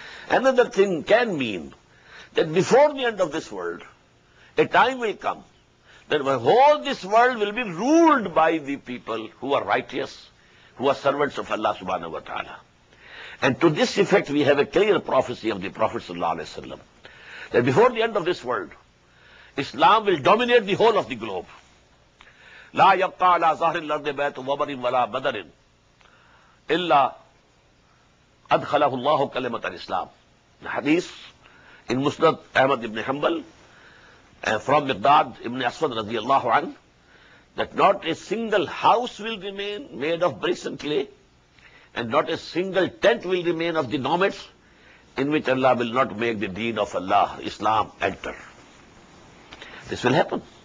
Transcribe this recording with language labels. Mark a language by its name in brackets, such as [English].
[English] Another thing can mean that before the end of this world, a time will come that the whole this world will be ruled by the people who are righteous, who are servants of Allah subhanahu wa ta'ala. And to this effect, we have a clear prophecy of the Prophet sallallahu alaihi wasallam that before the end of this world, Islam will dominate the whole of the globe. [Arabic] لا يبقى على ظهر الأرض بيت وبر ولا بدر إلا أدخله الله كلمة الإسلام. [English] The hadith in Musnad Ahmad ibn Hanbal from Miqdad ibn Aswad radiallahu anhu that not a single house will remain made of bricks and clay and not a single tent will remain of the nomads in which Allah will not make the deen of Allah, Islam, enter. This will happen.